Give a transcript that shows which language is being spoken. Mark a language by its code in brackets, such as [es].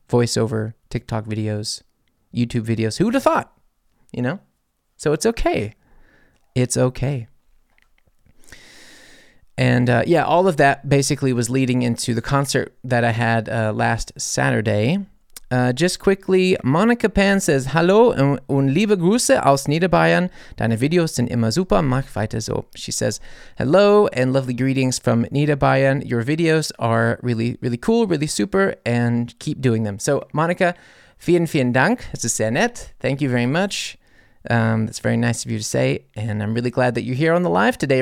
[en] Voiceover, TikTok videos, YouTube videos. Who would have thought? You know? So it's okay. It's okay. And yeah, all of that basically was leading into the concert that I had last Saturday. Just quickly, Monica Pan says, [de] Hallo und liebe Grüße aus Niederbayern. Deine Videos sind immer super. Mach weiter so. [en] She says, hello and lovely greetings from Niederbayern. Your videos are really, really cool, really super, and keep doing them. [de] So Monica, vielen, vielen Dank. Es ist sehr nett. [en] Thank you very much. That's very nice of you to say, and I'm really glad that you're here on the live today.